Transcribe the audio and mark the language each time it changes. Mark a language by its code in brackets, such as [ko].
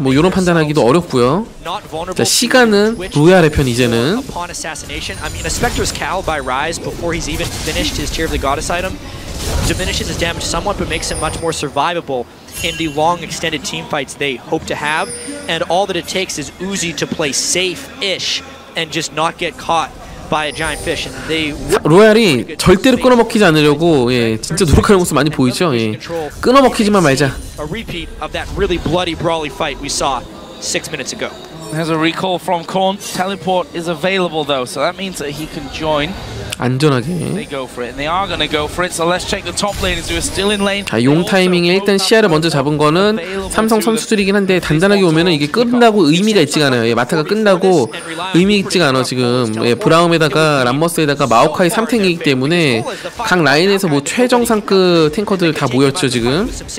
[ko] 뭐 이런 판단하기도 어렵고요 자 시간은 루야의 편 이제는 [en] Spectre's Cal by Ryze before he's even finished his Tear of the Goddess item diminishes his damage somewhat but makes him much more survivable in the long extended team fights they hope to have and all that it takes is Uzi to play safe-ish and just not get caught by a giant fish and they [ko] 로얄이 절대로 끊어먹히지 않으려고 예 진짜 노력하는 모습 많이 보이죠 예 끊어먹히지만 말자 [en] a repeat of that really bloody brawly fight we saw 6 minutes ago There's a recall from Korn. Teleport is available though, so that means that he can join. [ko] 안전하게. [en] They go for it, and they are going to go for it. So let's check the top laners. We're still in lane. [ko] 자, 용 타이밍에 일단 시야를 먼저 잡은 거는 삼성 선수들이긴 한데 단단하게 오면은 이게 끝나고 의미가 있지가 않아요. 예, 마타가 끝나고 의미 있지가 않아 지금. 예, 브라움에다가 람머스에다가 마오카이 3탱이기 때문에 각 라인에서 뭐 최정상급 탱커들 다 모였죠 지금.